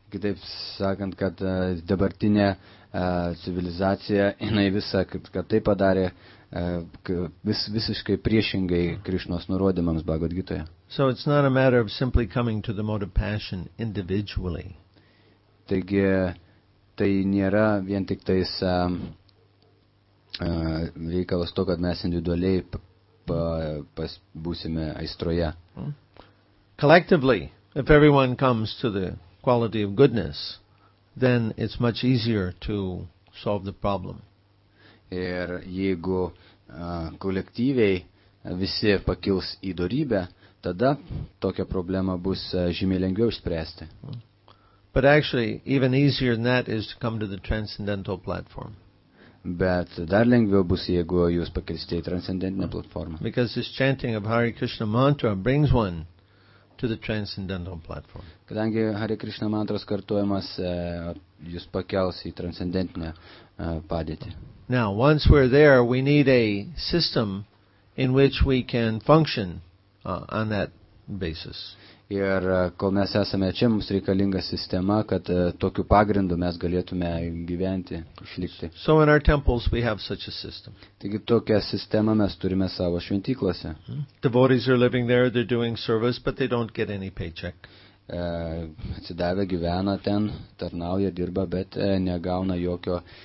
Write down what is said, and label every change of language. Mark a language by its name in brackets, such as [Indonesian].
[Lithuanian] Kitaip sakant, kad dabartinė civilizacija, jinai visa, kad tai padarė visiškai priešingai Krishnos nurodymams Bhagavad Gitoje. [English] So it's not a matter of simply coming to the mode of passion individually. [Lithuanian] Taigi, tai nėra vien tik tais reikalas to, kad mes individualiai būsime aistroje. [English] Collectively, if everyone comes to the quality of goodness, then it's much easier to solve the problem. [Lithuanian] Ir jeigu kolektyviai visi pakils į dorybę, tada tokia problema bus žymiai lengviau išspręsti. [English] But actually, even easier than that is to come to the transcendental platform. [Lithuanian] Bet dar lengviau bus, jeigu jūs pakilsite į transcendentinę platformą. [English] Because this chanting of Hare Krishna mantra brings one to the transcendental platform. [Lithuanian] Kadangi Hare Krishna mantras kartuojamas, jūs pakels į transcendentinę padėtį. [English] Now, once we're there, we need a system in which we can function on that basis. [Lithuanian] Ir kol mes esame čia, mums reikalinga sistema, kad tokiu pagrindu mes galėtume gyventi, išlikti. [English] So in our temples we have such a system. [Lithuanian] Taigi tokią sistemą mes turime savo šventyklose. [English] Devotees are living there, they're doing service, but they don't get any paycheck. [Lithuanian] Atsidavę gyvena ten, tarnauja, dirba, bet negauna jokio